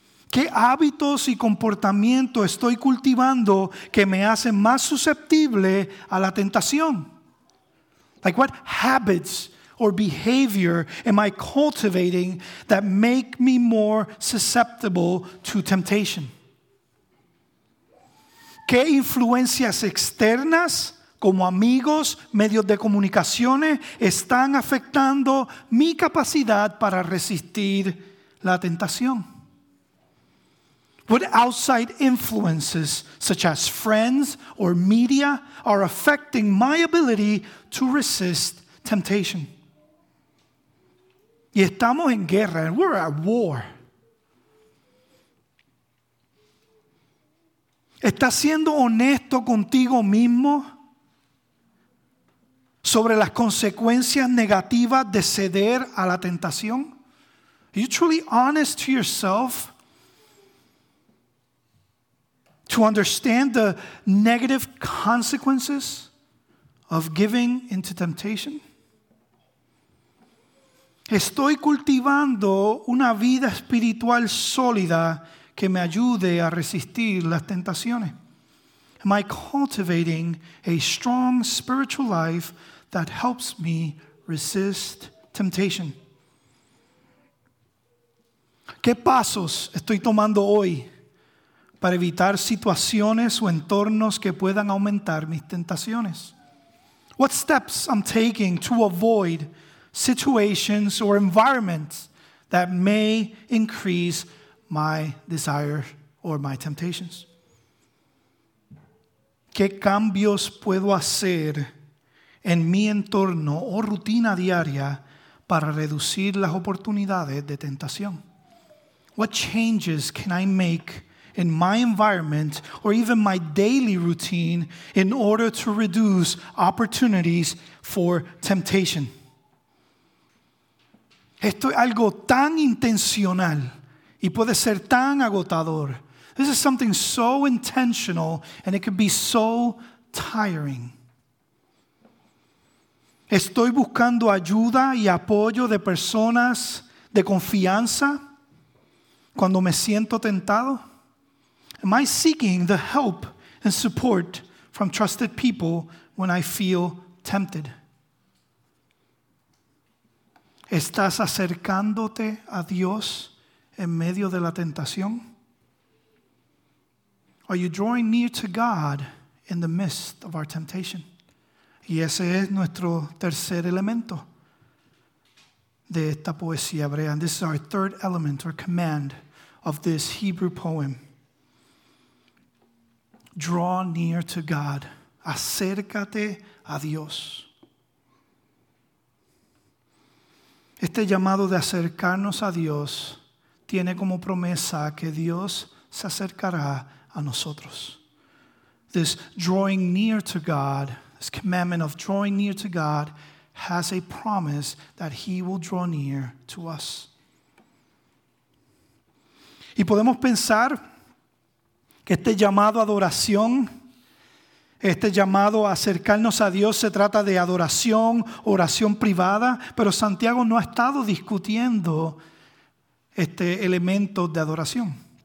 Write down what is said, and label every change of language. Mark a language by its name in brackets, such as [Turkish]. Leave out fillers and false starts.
[Spanish] ¿Qué hábitos y comportamiento estoy cultivando que me hacen más susceptible a la tentación? [English] Like what habits or behavior am I cultivating that make me more susceptible to temptation? [Spanish] ¿Qué influencias externas, como amigos, medios de comunicaciones, están afectando mi capacidad para resistir la tentación? [English] What outside influences, such as friends or media, are affecting my ability to resist temptation? [Spanish] Y estamos en guerra, [English] and we're at war. [Spanish] ¿Estás siendo honesto contigo mismo sobre las consecuencias negativas de ceder a la tentación? [English] Are you truly honest to yourself to understand the negative consequences of giving into temptation? [Spanish] ¿Estoy cultivando una vida espiritual sólida que me ayude a resistir las tentaciones? [English] Am I cultivating a strong spiritual life that helps me resist temptation? [Spanish] ¿Qué pasos estoy tomando hoy para evitar situaciones o entornos que puedan aumentar mis tentaciones? [English] What steps I'm taking to avoid situations or environments that may increase my desire or my temptations? [Spanish] ¿Qué cambios puedo hacer en mi entorno o rutina diaria para reducir las oportunidades de tentación? [English] What changes can I make in my environment or even my daily routine in order to reduce opportunities for temptation? [Spanish] Esto es algo tan intencional y puede ser tan agotador. [English] This is something so intentional and it can be so tiring. [Spanish] ¿Estoy buscando ayuda y apoyo de personas de confianza cuando me siento tentado? [English] Am I seeking the help and support from trusted people when I feel tempted? [Spanish] ¿Estás acercándote a Dios en medio de la tentación? [English] Are you drawing near to God in the midst of our temptation? [Spanish] Y ese es nuestro tercer elemento de esta poesía hebrea. [English] And this is our third element or command of this Hebrew poem. Draw near to God. [Spanish] Acércate a Dios. Este llamado de acercarnos a Dios tiene como promesa que Dios se acercará a nosotros. [English] This drawing near to God, this commandment of drawing near to God, has a promise that he will draw near to us. [Spanish] Y podemos pensar que este llamado a adoración, este llamado a acercarnos a Dios, se trata de adoración, oración privada, pero Santiago no ha estado discutiendo este elemento de adoración.